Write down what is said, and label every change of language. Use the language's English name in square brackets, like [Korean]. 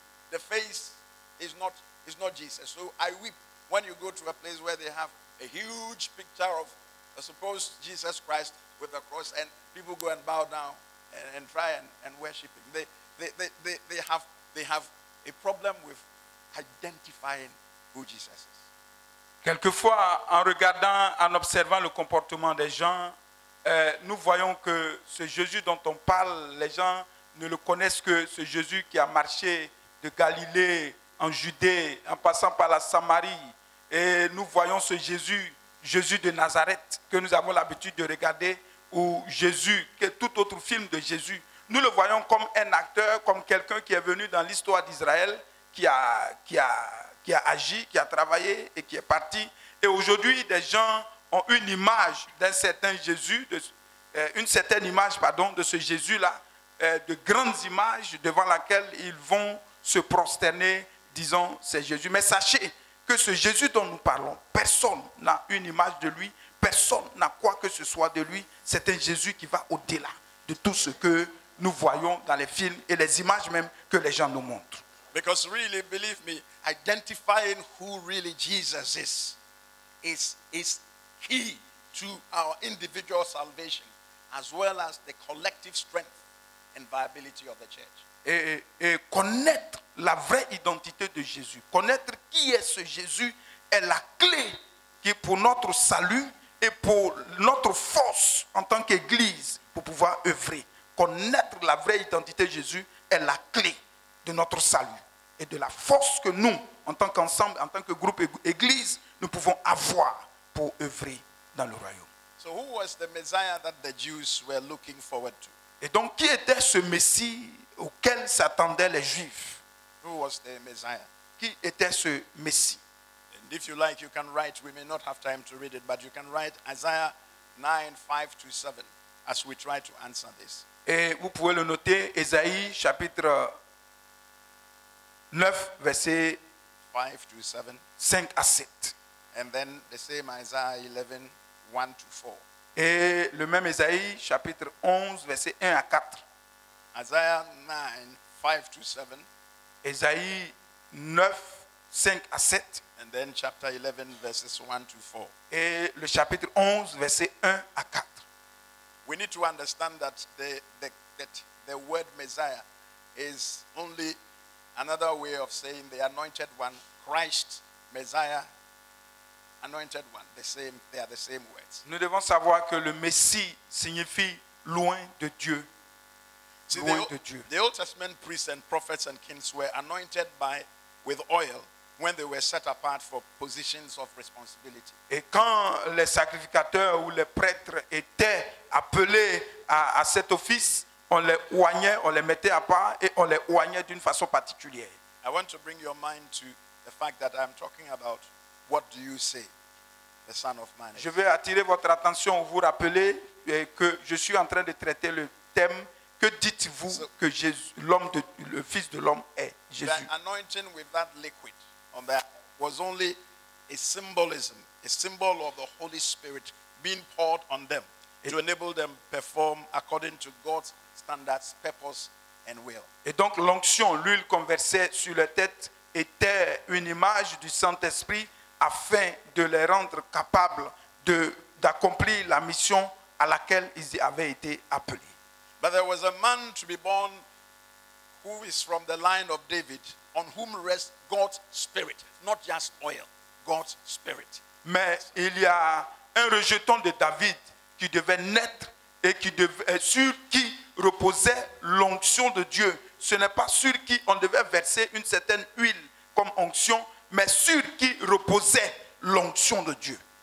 [English] The face is not Jesus. So I weep when you go to a place where they have a huge picture of I suppose Jesus Christ with the cross, and people go and bow down and try and worship him. They have a problem with identifying who Jesus is. [French] Quelquefois, en regardant, en observant le comportement des gens, nous voyons que ce Jésus dont on parle, les gens ne le connaissent que ce Jésus qui a marché de Galilée en Judée, en passant par la Samarie. Et nous voyons ce Jésus, Jésus de Nazareth, que nous avons l'habitude de regarder, ou Jésus, que tout autre film de Jésus. Nous le voyons comme un acteur, comme quelqu'un qui est venu dans l'histoire d'Israël, qui a agi, qui a travaillé et qui est parti. Et aujourd'hui, des gens ont une image d'un certain Jésus, de ce Jésus-là, de grandes images devant laquelle ils vont se prosterner, disant c'est Jésus. Mais sachez que ce Jésus dont nous parlons, personne n'a une image de lui, personne n'a quoi que ce soit de lui. C'est un Jésus qui va au-delà de tout ce que nous voyons dans les films et les images même que les gens nous montrent. [English] Because really, believe me, identifying who really Jesus is key to our individual salvation, as well as the collective strength and viability of the church. [French] Et connaître la vraie identité de Jésus, connaître qui est ce Jésus, est la clé qui pour notre salut et pour notre force en tant qu'Église pour pouvoir œuvrer. Connaître la vraie identité de Jésus est la clé de notre salut et de la force que nous, en tant qu'ensemble, en tant que groupe Église, nous pouvons avoir pour œuvrer dans le royaume. [English] So who was the Messiah that the Jews were looking forward to? [French] Et donc, qui était ce Messie auquel s'attendaient les Juifs? [English] Who was the Messiah? [French] Qui était ce Messie? [English] And if you like, you can write, we may not have time to read it, but you can write Isaiah 9, 5 to 7 as we try to answer this. [French] Et vous pouvez le noter, Isaïe chapitre 9, verset [English] 5, to 7. [French] 5 à 7. [English] And then the same Isaiah 11, 1 to 4. [French] Et le même Isaïe, chapitre 11, verset 1 à 4. [English] Isaiah 9, 5 to 7. [French] Isaïe 9, 5 à 7. [English] And then chapter 11, verses 1 to 4. [French] Et le chapitre 11, verset 1 à 4. [English] We need to understand that the word Messiah is only another way of saying the anointed one, Christ, Messiah, anointed one, they are the same words. [French] Nous devons savoir que le Messie signifie loin de Dieu. [English] See, the Old Testament priests and prophets and kings were anointed with oil when they were set apart for positions of responsibility. [French] Et quand les sacrificateurs ou les prêtres étaient appelés à cet office, on les oignait, on les mettait à part et on les oignait d'une façon particulière. [English] I want to bring your mind to the fact that I'm talking about what do you say the Son of Man is. [French] Je veux attirer votre attention, vous rappeler que je suis en train de traiter le thème que dites-vous que Jésus, le Fils de l'homme est Jésus. [English] The anointing with that liquid on that was only a symbolism, a symbol of the Holy Spirit being poured on them to enable them perform according to God's standards, purpose and will. [French] Et donc l'onction, l'huile qu'on versait sur la tête était une image du Saint-Esprit afin de les rendre capables d'accomplir la mission à laquelle ils avaient été appelés. [English] But there was a man to be born who is from the line of David, on whom rests God's spirit, not just oil, God's spirit. [French] Mais il y a un rejeton de David qui devait naître et sur qui reposait l'onction de Dieu. Ce n'est pas sur qui on devait verser une certaine huile comme onction, mais sur qui reposait l'onction de Dieu.